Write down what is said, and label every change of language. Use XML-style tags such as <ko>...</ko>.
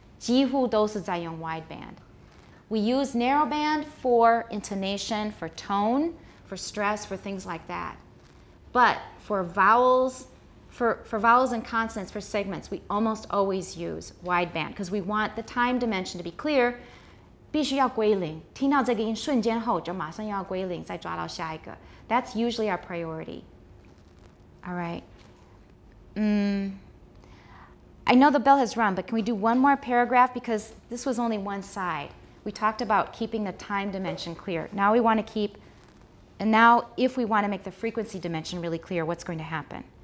<zh>几乎都是在用</zh> <en>wideband. We use narrowband for intonation, for tone, for stress, for things like that. But for vowels, for vowels and consonants, for segments, we almost always use wideband because we want the time dimension to be clear.</en> <zh>必须要归零，听到这个音瞬间后就马上要归零，再抓到下一个.</zh> <en>That's usually our priority. All right. I know the bell has rung, but can we do one more paragraph? Because this was only one side. We talked about keeping the time dimension clear. Now we want to keep, and now if we want to make the frequency dimension really clear, what's going to happen?</en>